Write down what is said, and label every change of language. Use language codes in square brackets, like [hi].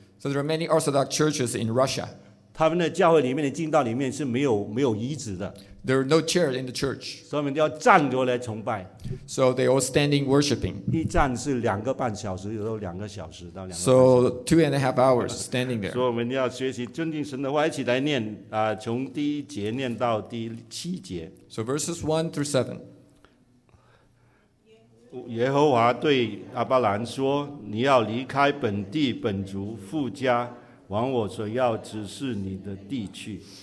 [en] So there are many Orthodox churches in Russia. [zh] 他们的教会里面的敬道里面是没有椅子的。 [en] There are no chairs in the church. [zh] 所以我们要站着来崇拜。 [en] So they all standing worshiping. [zh] 一站是两个半小时，有时候两个小时到两个小时。 [en] So 2.5 hours standing there. [zh] 所以我们要学习尊敬神的话，一起来念啊，从第一节念到第七节。 [en] So verses 1-7。 [zh] 耶和华对亚伯兰说：“你要离开本地、本族、父家，往我所要指示你的地去。